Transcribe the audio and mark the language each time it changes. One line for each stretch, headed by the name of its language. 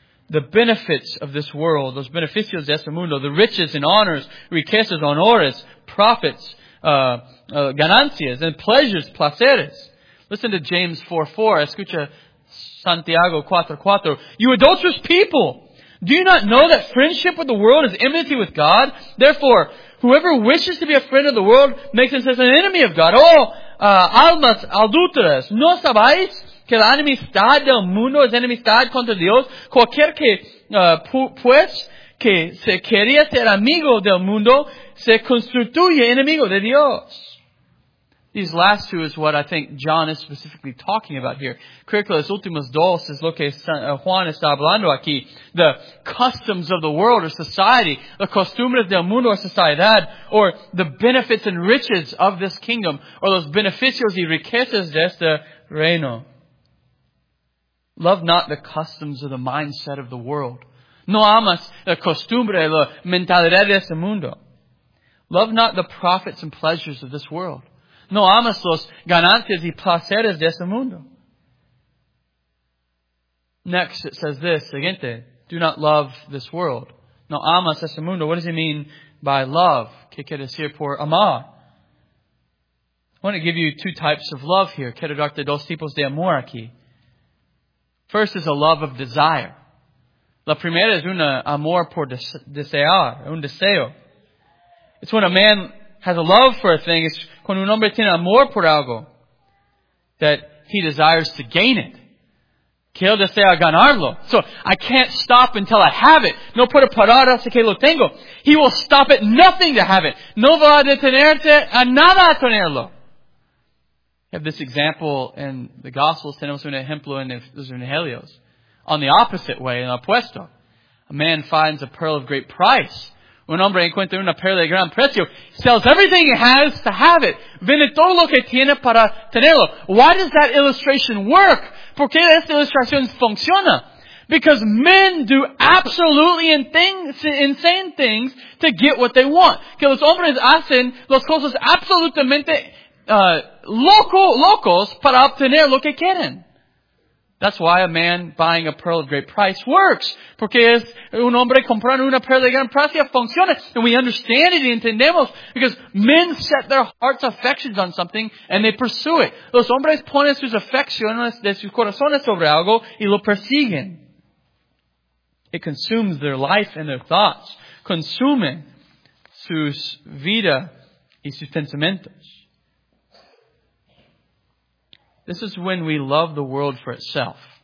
English: The benefits of this world,
Spanish: los beneficios de este mundo,
English: the riches and honors,
Spanish: riquezas, honores,
English: profits,
Spanish: ganancias,
English: and pleasures,
Spanish: placeres.
English: Listen to James 4:4.
Spanish: Escucha Santiago 4:4.
English: You adulterous people, do you not know that friendship with the world is enmity with God? Therefore, whoever wishes to be a friend of the world makes himself an enemy of God.
Spanish: Almas adulteras, ¿no sabéis? Que la enemistad del mundo es enemistad contra Dios. Cualquier que, pues, que se quería ser amigo del mundo, se constituye enemigo de Dios.
English: These last two is what I think John is specifically talking about here.
Spanish: Creo que los últimos dos es lo que Juan está hablando aquí.
English: The customs of the world or society.
Spanish: The costumbres del mundo or sociedad.
English: Or the benefits and riches of this kingdom.
Spanish: Or los beneficios y riquezas de este reino.
English: Love not the customs or the mindset of the world.
Spanish: No amas la costumbre, la mentalidad de este mundo.
English: Love not the profits and pleasures of this world.
Spanish: No amas los ganancias y placeres de este mundo.
English: Next, it says this.
Spanish: Siguiente.
English: Do not love this world.
Spanish: No amas este mundo.
English: What does he mean by love?
Spanish: ¿Qué quiere decir por amar?
English: I want to give you two types of love here.
Spanish: Quiero darte dos tipos de amor aquí.
English: First is a love of desire.
Spanish: La primera es un amor por desear, un deseo.
English: It's when a man has a love for a thing, it's
Spanish: cuando un hombre tiene amor por algo,
English: that he desires to gain it.
Spanish: Que él desea ganarlo.
English: So, I can't stop until I have it.
Spanish: No puedo parar hasta que lo tengo.
English: He will stop at nothing to have it.
Spanish: No va a detenerse a nada a tenerlo.
English: We have this example in the Gospels,
Spanish: tenemos un ejemplo en los Evangelios.
English: On the opposite way,
Spanish: en opuesto.
English: A man finds a pearl of great price.
Spanish: Un hombre encuentra una perla de gran precio.
English: Sells everything he has to have it.
Spanish: Vende todo lo que tiene para tenerlo.
English: Why does that illustration work?
Spanish: ¿Por qué esta ilustración funciona?
English: Because men do absolutely insane things to get what they want.
Spanish: Que los hombres hacen las cosas absolutamente locos para obtener lo que quieren.
English: That's why a man buying a pearl of great price works.
Spanish: Porque es un hombre comprando una perla de gran precio, funciona.
English: And we understand it
Spanish: y entendemos.
English: Because men set their heart's affections on something and they pursue it.
Spanish: Los hombres ponen sus afecciones de sus corazones sobre algo y lo persiguen.
English: It consumes their life and their thoughts.
Spanish: Consume sus vida y sus pensamientos.
English: This is when we love the world for itself.